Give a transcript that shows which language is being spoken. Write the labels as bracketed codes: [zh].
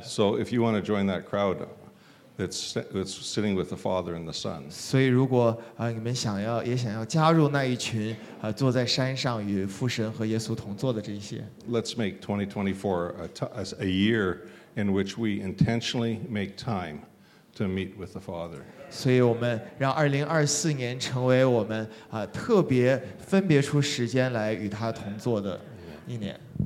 [en] So if you want to join that crowd, that's sitting with the Father and the Son. [zh] 所以如果你们想要也想要加入那一群坐在山上与父神和耶稣同坐的这些。 [en] Let's make 2024 a year in which we intentionally make time to meet with the Father. [zh] 所以我们让2024年成为我们特别分别出时间来与他同坐的一年。